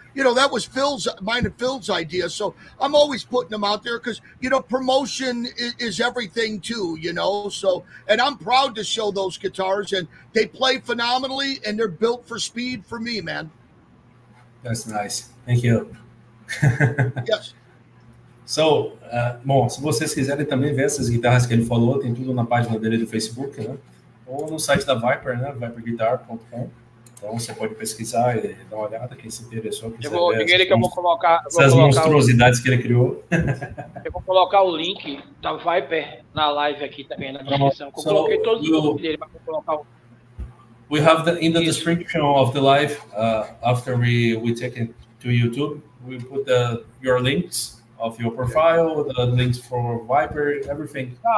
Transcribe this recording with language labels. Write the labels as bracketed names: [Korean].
[English] You know, that was mine and Phil's idea. So I'm always putting them out there because, you know, promotion is everything too, you know. So, and I'm proud to show those guitars, and they play phenomenally, and they're built for speed for me, man. That's nice. Thank you. Yes. [Portuguese] So, bom, se vocês quiserem também ver essas guitarras que ele falou, tem tudo na página dele do Facebook, né? Ou no site da Viper, né? Viperguitar.com. Então, você pode pesquisar e dar uma olhada, quem se interessou. Eu vou colocar monstruosidades que ele criou. Eu vou colocar o link da Viper na live aqui também, na descrição. Eu coloquei todos os links dele, mas vou colocar o... [English] We have the description of the live, after we take it to YouTube, we put your links of your profile, the links for Viper, everything.